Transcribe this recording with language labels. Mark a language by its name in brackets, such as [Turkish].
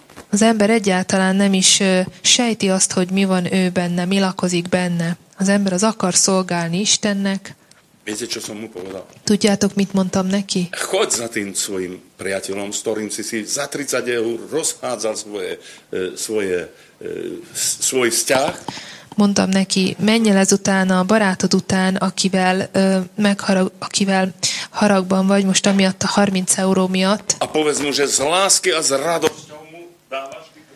[Hungarian] Az ember egyáltalán nem is sejti azt, hogy mi van ő benne, mi lakozik benne. Az ember az akar szolgálni Istennek. [Slovak] Viete, čo som mu povedal? [Hungarian] Tudjátok, mit mondtam neki? [Slovak] Chod za tým svojim priateľom, s ktorým si za 30 eur rozhádzal svoj vzťah. [Hungarian] Mondtam neki, menj el ezután a barátod után, akivel haragban vagy most amiatt a 30 euró miatt. [Slovak] A povedz mu, že z lásky a z radosťou mu dávaš.